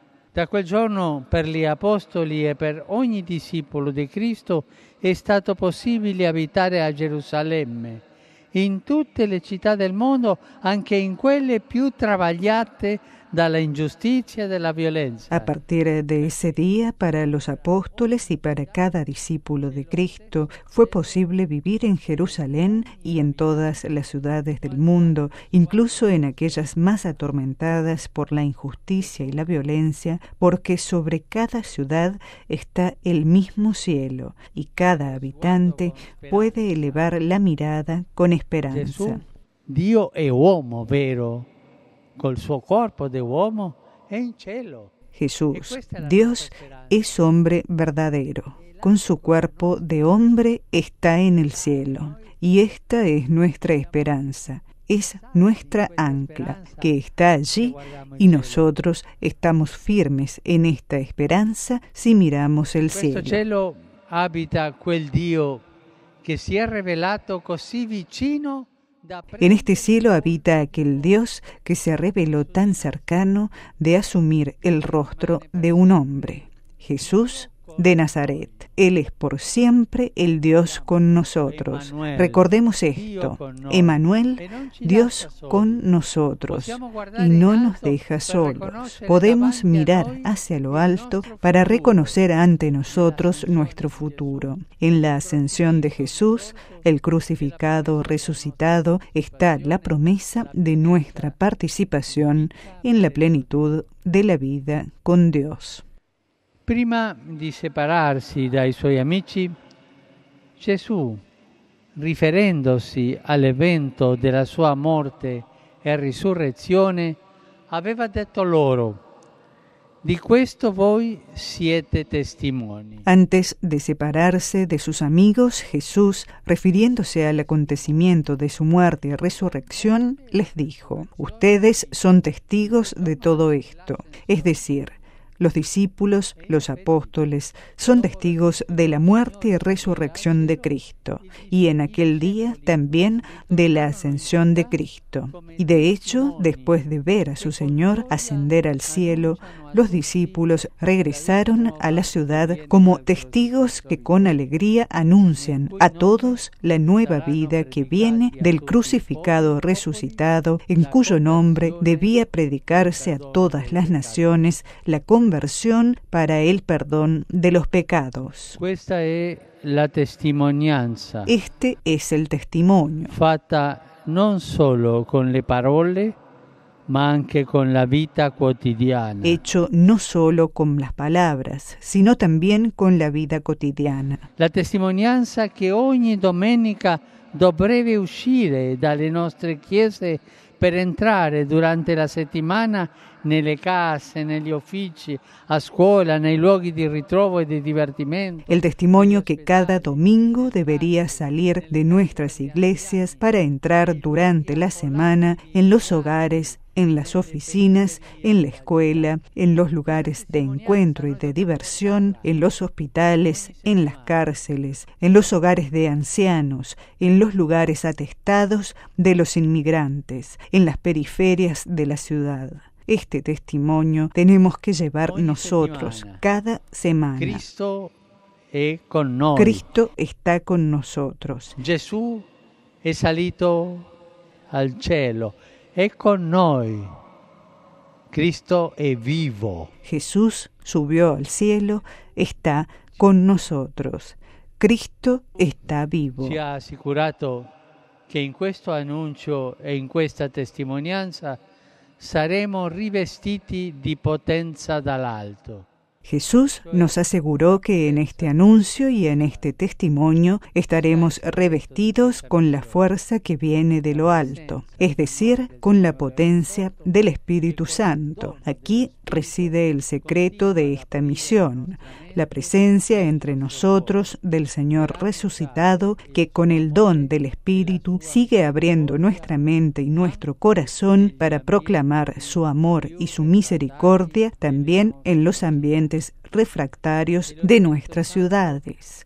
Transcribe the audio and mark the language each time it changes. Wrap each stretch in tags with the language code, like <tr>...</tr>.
<it>Da quel giorno per gli apostoli e per ogni</it> <es>discípulo de</es> <it>Cristo è stato possibile abitare a Gerusalemme, in tutte le città del mondo, anche in quelle più travagliate dalla ingiustizia e dalla violenza. A partire da</it> <es>ese día, para los apóstoles y para cada discípulo de Cristo, fue posible vivir en Jerusalén y en todas las ciudades del mundo, incluso en aquellas más atormentadas por la injusticia y la violencia, porque sobre cada ciudad está el mismo cielo y cada habitante puede elevar la mirada con esperanza.</es> <it>Dio è uomo vero, col suo corpo de uomo in cielo.</it> <es>Jesús, Dios es hombre verdadero. Con su cuerpo de hombre está en el cielo. Y esta es nuestra esperanza. Es nuestra ancla que está allí y nosotros estamos firmes en esta esperanza si miramos el cielo.</es> <it>Questo cielo habita quel Dio che si è rivelato così vicino.</it> <es>En este cielo habita aquel Dios que se reveló tan cercano de asumir el rostro de un hombre, Jesús de Nazaret. Él es por siempre el Dios con nosotros. Recordemos esto, Emmanuel, Dios con nosotros, y no nos deja solos. Podemos mirar hacia lo alto para reconocer ante nosotros nuestro futuro. En la ascensión de Jesús, el crucificado resucitado, está la promesa de nuestra participación en la plenitud de la vida con Dios.</es> <it>Prima di separarsi dai suoi amici, Gesù, riferendosi all'evento della sua morte e risurrezione, aveva detto loro: Di questo voi siete testimoni.</it> <es>Antes de separarse de sus amigos, Jesús, refiriéndose al acontecimiento de su muerte y resurrección, les dijo: ustedes son testigos de todo esto. Es decir, los discípulos, los apóstoles, son testigos de la muerte y resurrección de Cristo, y en aquel día también de la ascensión de Cristo. Y de hecho, después de ver a su Señor ascender al cielo, los discípulos regresaron a la ciudad como testigos que con alegría anuncian a todos la nueva vida que viene del crucificado resucitado, en cuyo nombre debía predicarse a todas las naciones la conversión para el perdón de los pecados. Esta es la testimonianza. Este es el testimonio.</es> <it>Fatta non solo con le parole, ma anche con la vita quotidiana.</it> <es>Hecho no solo con las palabras, sino también con la vida cotidiana.</es> <it>La testimonianza que ogni domenica dovrebbe uscire dalle nostre chiese per entrare durante la settimana nelle case, negli uffici, a scuola, nei luoghi di ritrovo e di divertimento.</it> <es>El testimonio que cada domingo debería salir de nuestras iglesias para entrar durante la semana en los hogares, en las oficinas, en la escuela, en los lugares de encuentro y de diversión, en los hospitales, en las cárceles, en los hogares de ancianos, en los lugares atestados de los inmigrantes, en las periferias de la ciudad. Este testimonio tenemos que llevar nosotros cada semana. Cristo es con nosotros. Cristo está con nosotros. Jesús es salido al cielo.</es> <it>È con noi. Cristo è vivo.</it> <es>Jesús subió al cielo, está con nosotros. Cristo está vivo.</es> <it>Ci ha assicurato che in questo annuncio e in questa testimonianza saremo rivestiti di potenza dall'alto.</it> <es>Jesús nos aseguró que en este anuncio y en este testimonio estaremos revestidos con la fuerza que viene de lo alto, es decir, con la potencia del Espíritu Santo. Aquí reside el secreto de esta misión, la presencia entre nosotros del Señor resucitado, que con el don del Espíritu sigue abriendo nuestra mente y nuestro corazón para proclamar su amor y su misericordia también en los ambientes refractarios de nuestras ciudades.</es>